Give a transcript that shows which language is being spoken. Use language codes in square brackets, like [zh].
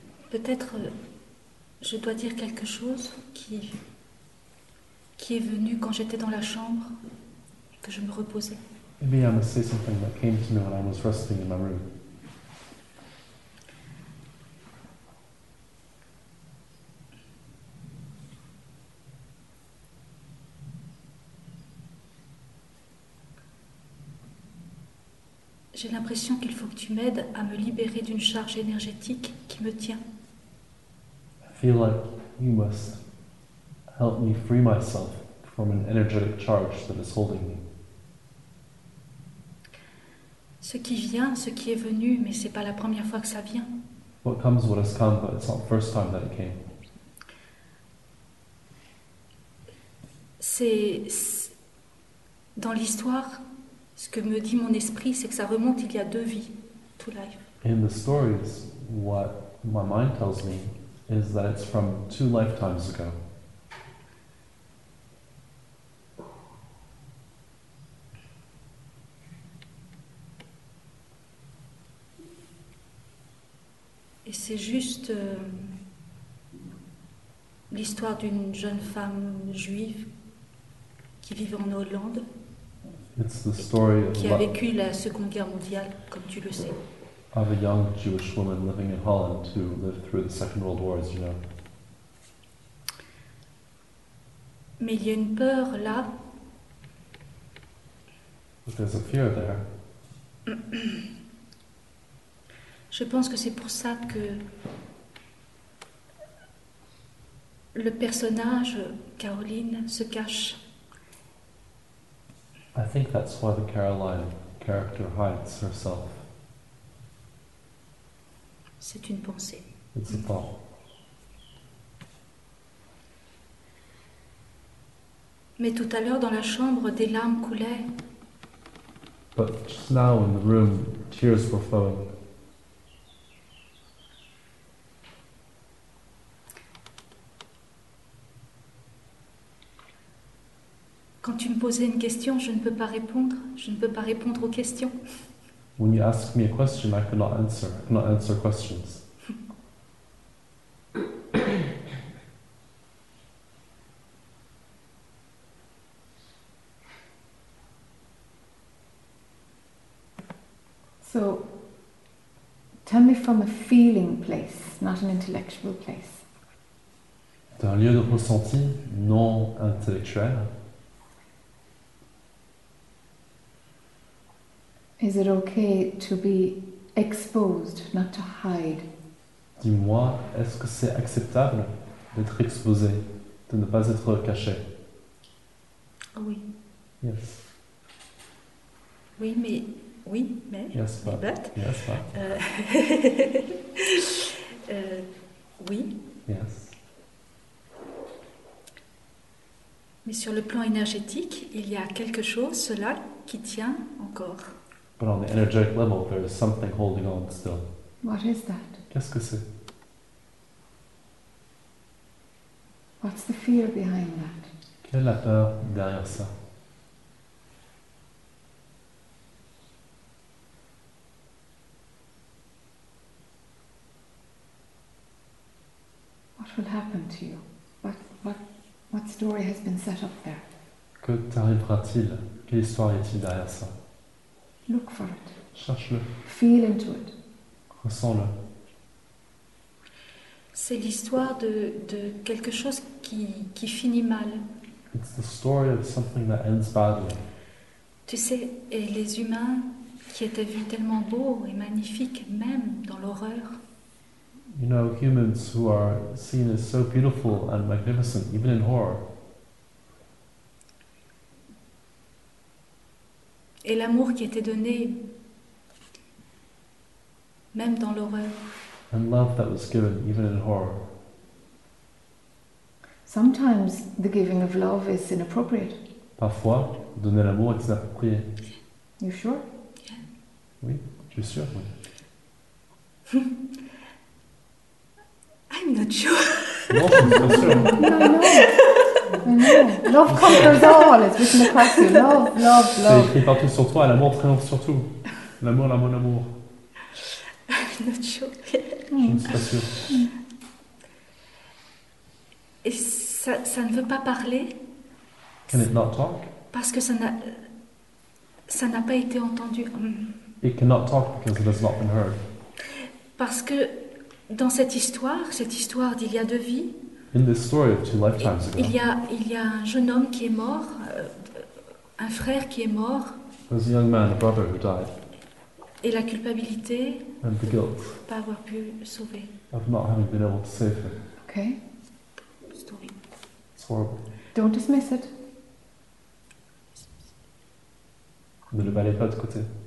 [fr] Peut-être je dois dire quelque chose qui est venu quand j'étais dans la chambre et que je me reposais. [en] Maybe I must say something that came to me when I was resting in my room. [fr] J'ai l'impression qu'il faut que tu m'aides à me libérer d'une charge énergétique qui me tient. [en] I feel like you must help me free myself from an energetic charge that is holding me. [fr] Ce qui vient, ce qui est venu, mais c'est pas la première fois que ça vient. [en] What comes, what has come, but it's not the first time that it came. [fr] C'est dans l'histoire, ce que me dit mon esprit, c'est que ça remonte il y a deux vies, [en] two lives. In the stories, what my mind tells me is that it's from two lifetimes ago. [fr] Et c'est juste l'histoire d'une jeune femme juive qui vivait en Hollande, [en] it's the story [fr] qui a vécu la Seconde Guerre mondiale, comme tu le sais. [en] Of a young Jewish woman living in Holland who lived through the Second World War, as you know. [fr] Mais il y a une peur là. [en] But there's a fear there. [fr] Je pense que c'est pour ça que le personnage Caroline se cache. [en] I think that's why the Caroline character hides herself. [fr] C'est une pensée. [en] It's a thought. [fr] Mais tout à l'heure dans la chambre, des larmes coulaient. [en] But just now in the room, tears were flowing. [fr] Quand tu me posais une question, je ne peux pas répondre. Je ne peux pas répondre aux questions. [en] When you ask me a question, I cannot answer. I cannot answer questions. So, tell me from a feeling place, not an intellectual place. [fr] D'un lieu de ressenti, non intellectuel. [en] Is it okay to be exposed, not to hide? [fr] Dis-moi, est-ce que c'est acceptable d'être exposé, de ne pas être caché? Oui. [en] Yes. [fr] Oui, mais... [en] Yes, but. But. Yes, but. [fr] oui. [en] Yes. [fr] Mais sur le plan énergétique, il y a quelque chose, cela, qui tient encore. [en] But on the energetic level, there is something holding on still. What is that? [fr] Qu'est-ce que c'est? [en] What's the fear behind that? [fr] Quelle est la peur derrière ça? [en] What will happen to you? What story has been set up there? [fr] Que t'arrivera-t-il? Quelle histoire y a-t-il derrière ça? [en] Look for it. [fr] Cherche-le. [en] Feel into it. [fr] Ressens-le. C'est l'histoire de quelque chose qui finit mal. [en] It's the story of something that ends badly. [fr] Tu sais, et les humains qui étaient vus tellement beaux et magnifiques, même dans l'horreur. [en] You know, humans who are seen as so beautiful and magnificent, even in horror. [fr] Et l'amour qui était donné, même dans l'horreur. [en] And love that was given, even in horror. Sometimes the giving of love is inappropriate. [fr] Parfois, donner l'amour est inapproprié. [en] You sure? Yeah. [fr] Oui, je suis sûr, oui. [en] I'm not sure. [fr] Non, je suis pas sûr. [en] I know. Love conquers all. It's written across you. Love. [fr] C'est écrit partout sur toi. L'amour triomphe sur tout. L'amour. [en] I'm not sure. [fr] Je ne suis pas sûr. Et ça ne veut pas parler. [en] Can it not talk? [fr] Parce que ça n'a pas été entendu. [en] It cannot talk because it has not been heard. [fr] Parce que dans cette histoire d'il y a deux vies. [en] In this story of two lifetimes ago. [fr] Il y a un jeune homme qui est mort, un frère qui est mort. [en] There's a young man, a brother who died. [fr] Et la culpabilité [en] and the guilt [fr] de pas avoir pu sauver. [en] Of not having been able to save her. Okay. Story. It's horrible. Don't dismiss it. [fr] Ne le balayez pas de côté.